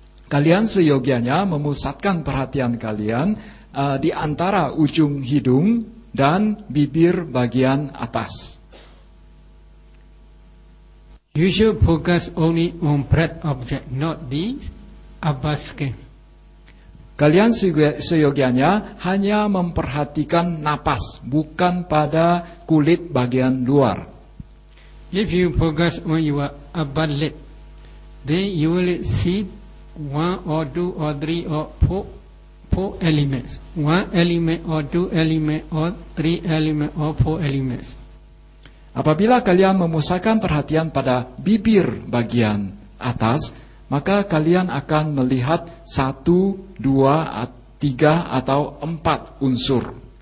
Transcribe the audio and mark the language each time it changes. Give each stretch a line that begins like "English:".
Indonesian: Kalian seyogianya memusatkan perhatian kalian di antara ujung hidung dan bibir bagian atas.
English: You should focus only on breath object, not the upper skin.
Indonesian: Kalian seyogianya hanya memperhatikan napas, bukan pada kulit bagian luar.
English: If you focus on your upper lip, then you will see one or two or three or four elements. One element or two element or three element or four elements.
Indonesian: Apabila kalian memusatkan perhatian pada bibir bagian atas, maka kalian akan melihat satu, dua, tiga atau empat unsur.